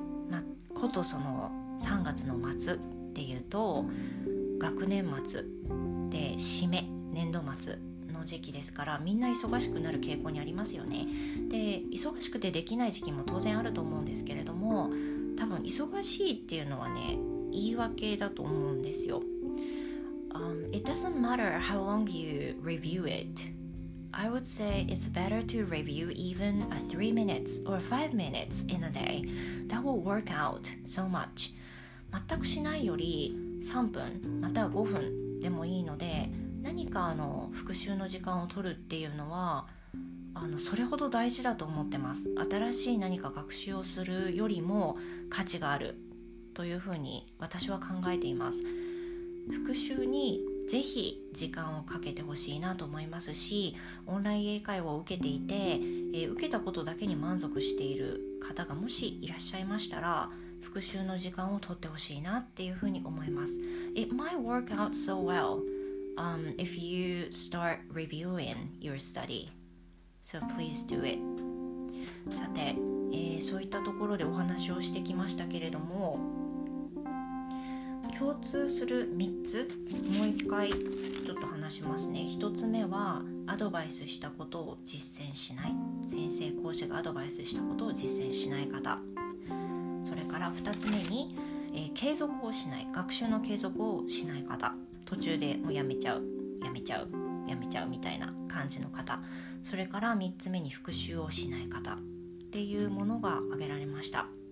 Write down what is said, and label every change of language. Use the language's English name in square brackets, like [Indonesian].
[Japanese] まあ、ことその3月の末っていうと、学年末で締め、年度末の時期ですから、みんな忙しくなる傾向にありますよね。で、忙しくてできない時期も当然あると思うんですけれども、多分忙しいっていうのはね、言い訳だと思うんですよ。 [English] It doesn't matter how long you review it. I would say it's better to review even 3 minutes or 5 minutes in a day. That will work out so much. [Japanese] 全くしないより3分または5分でもいいので、何かあの復習の時間を取るっていうのはあのそれほど大事だと思ってます。新しい何か学習をするよりも価値があるというふうに私は考えています。復習にぜひ時間をかけてほしいなと思いますし、オンライン英会話を受けていて、受けたことだけに満足している方がもしいらっしゃいましたら、復習の時間を取ってほしいなっていうふうに思います。 [English] It might work out so well, if you start reviewing your study. So please do it. [Japanese] さて、そういったところでお話をしてきましたけれども、共通する3つもう一回ちょっと話しますね。 1つ目はアドバイスしたことを実践しない、先生講師がアドバイスしたことを実践しない方、それから2つ目に、継続をしない、学習の継続をしない方、途中でもうやめちゃうみたいな感じの方、それから3つ目に復習をしない方っていうものが挙げられました。